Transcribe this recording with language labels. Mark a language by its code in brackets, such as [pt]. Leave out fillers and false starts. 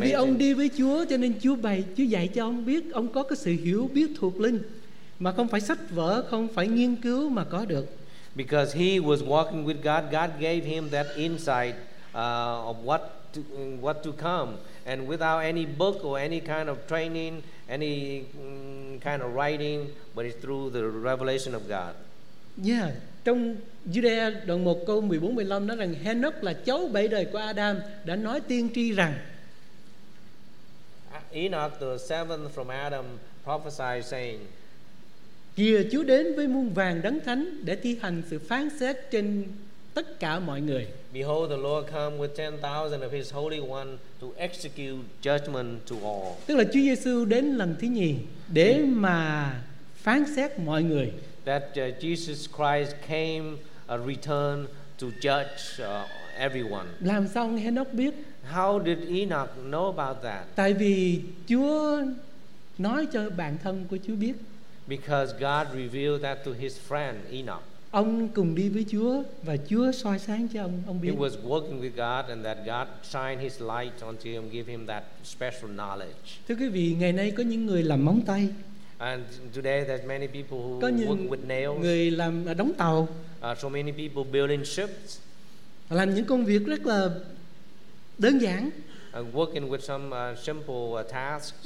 [vi] Vì ông đi với Chúa, cho nên Chúa dạy cho ông biết, ông có cái sự hiểu biết thuộc linh, mà không phải sách vở, không phải nghiên cứu mà có được. [en] Because he was walking with God, God gave him that insight of what. What to come, and without any book or any kind of training, any kind of writing, but it's through the revelation of God. [vi] Yeah, trong Judea đoạn 1 câu 14-15 nói rằng Henoch là cháu 7 đời của Adam đã nói tiên tri rằng [en] Enoch the seventh from Adam prophesied saying, [vi] kìa Chúa đến với muôn vàng đấng thánh để thi hành sự phán xét trên tất cả mọi người. [en] Behold, the Lord come with 10,000 of His holy one to execute judgment to all. [vi] Tức là Chúa Giêsu đến lần thứ nhì để mà phán xét mọi người. [en] That Jesus Christ came a return to judge everyone. [vi] Làm sao ông Henoch biết? [en] How did Enoch know about that? [vi] Tại vì Chúa nói cho bạn thân của Chúa biết. [en] Because God revealed that to His friend Enoch. [vi] Ông cùng đi với Chúa và Chúa soi sáng cho ông biết. [en] He was working with God and that God shined His light onto him, give him that special knowledge. [vi] Thưa quý vị, ngày nay có những người làm móng tay. [en] And today there's many people who work with nails. [vi] Người làm đóng tàu. [en] So many people building ships. [vi] Làm những công việc rất là đơn giản. [en] Working with some simple tasks.